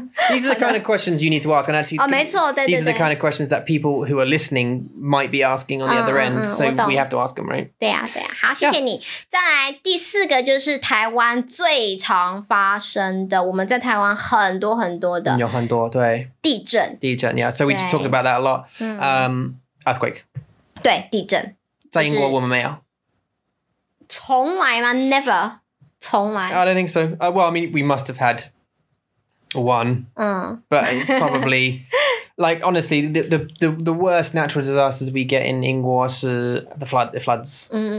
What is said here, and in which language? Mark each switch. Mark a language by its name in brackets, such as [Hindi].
[English] These are the kind of questions you need to ask. And actually, these are the kind of questions that people who are listening might be asking on the other end. So we have to ask them, right? [Chinese] 对啊。好，谢谢你。再来第四个就是台湾最常发生的, 我们在台湾很多很多的, 有很多,对, 地震, [English] 地震, yeah. So we just talked about that a lot. Earthquake. [Chinese] 对,地震, 在英国我们没有? 从来吗?Never. 从来. [English] I don't think so. Well, I mean, we must have had one, but it's probably like, honestly, the worst natural disasters we get in Ingwo is the floods.